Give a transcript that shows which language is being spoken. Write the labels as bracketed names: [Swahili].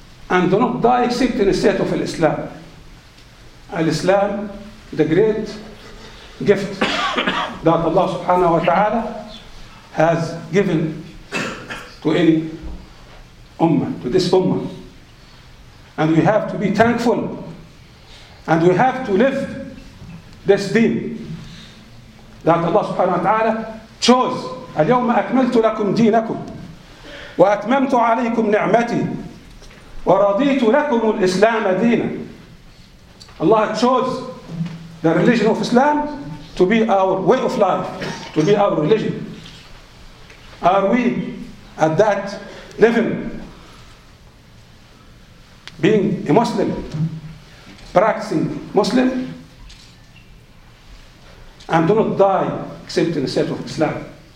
[English] And do not die except in the state of Islam. Al-Islam, the great gift that Allah subhanahu wa ta'ala has given to any ummah, to this ummah. And we have to be thankful. And we have to live this deen that Allah subhanahu wa ta'ala chose. [Arabic] اليوم أكملت لكم دينكم وأتممت عليكم نعمتي ورضيت لكم الإسلام دينا. [English] Allah chose the religion of Islam to be our way of life, to be our religion. Are we at that level, being a Muslim, practicing Muslim, and do not die except in the state of Islam?